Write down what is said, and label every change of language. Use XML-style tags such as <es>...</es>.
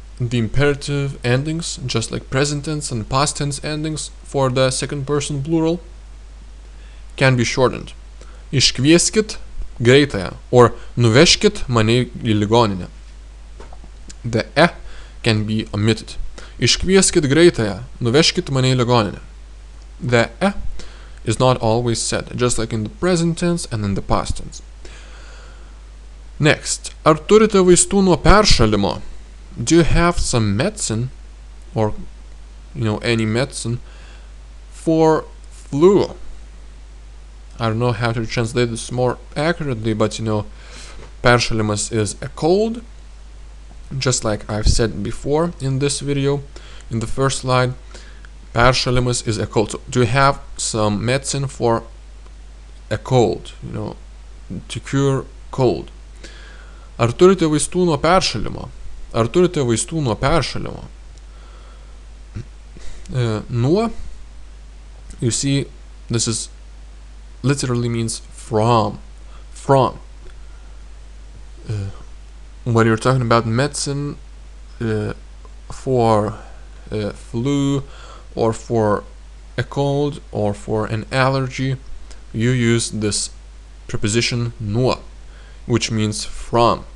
<en>The imperative endings, just like present tense and past tense endings for the second person plural, can be shortened.</en> <lt>Iškvieskit greitąją, or nuveškit mane į ligoninę.</lt> <en>The e can be omitted.</en> <lt>Iškvieskit greitąją, nuveškit mane į ligoninę.</lt> <en>The e is not always said, just like in the present tense and in the past tense. Next,</en> <lt>ar turite vaistų nuo peršalimo?</lt> <en>Do you have some medicine, or, you know, any medicine, for flu? I don't know how to translate this more accurately, but, you know, peršalimas is a cold, just like I've said before in this video, in the first slide, peršalimas is a cold. So, do you have some medicine for a cold, you know, to cure cold?</en> <lt>Ar turite vaistų nuo peršalimo? Ar turite vaistų nuo peršalimo?</lt> <en>Nuo, you see, this is literally means from. when you're talking about medicine for flu or for a cold or for an allergy, you use this preposition nuo, which means from.</en>